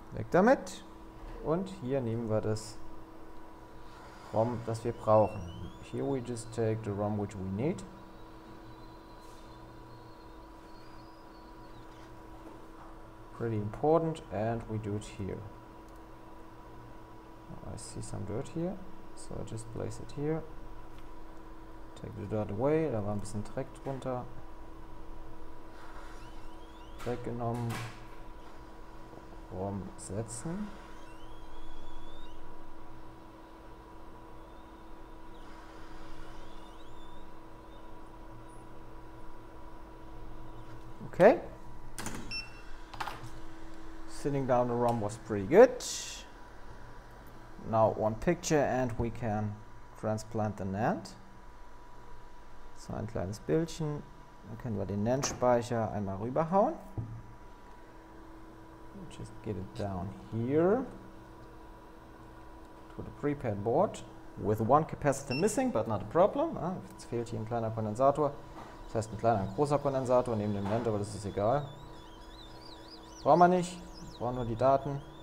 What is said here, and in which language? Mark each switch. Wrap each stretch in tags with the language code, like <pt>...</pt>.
<de>Damit und hier nehmen wir das ROM, das wir brauchen.</de> <en>Here we just take the ROM which we need. Pretty important, and we do it here. I see some dirt here, so I just place it here. Take the dirt away,</en> <de>da war ein bisschen Dreck drunter. Dreck genommen. ROM setzen. Okay.</de> <en>Sitting down the ROM was pretty good. Now one picture and we can transplant the NAND.</en> <de>So ein kleines Bildchen. Dann können wir den NAND-Speicher einmal rüberhauen.</de> <en>Just get it down here to the prepared board with one capacitor missing, but not a problem.</en> <de>Jetzt fehlt hier ein kleiner Kondensator. Das heißt, ein kleiner, ein großer Kondensator neben dem NAND, aber das ist egal. Brauchen wir nicht. Brauchen nur die Daten.</de>